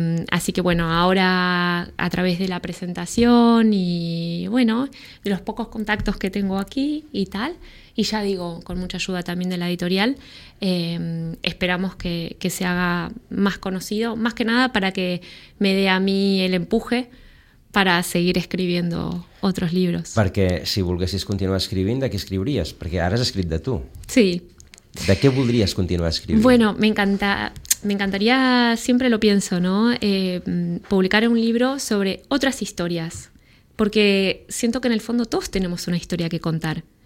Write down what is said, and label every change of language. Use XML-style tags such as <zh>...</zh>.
<es>Así que bueno, ahora a través de la presentación y bueno, de los pocos contactos que tengo aquí y tal, y ya digo, con mucha ayuda también de la editorial, esperamos que se haga más conocido, más que nada para que me dé a mí el empuje para seguir escribiendo otros libros.</es> <ca>Perquè si volguessis continuar escrivint, de què escriuries? Perquè ara has escrit de tu. Sí. ¿De qué voldries continuar escrivint?</ca> <es>Bueno, me encantaría, siempre lo pienso, ¿no? Publicar un libro sobre otras historias. Porque siento que en el fondo todos tenemos una historia que contar.</es>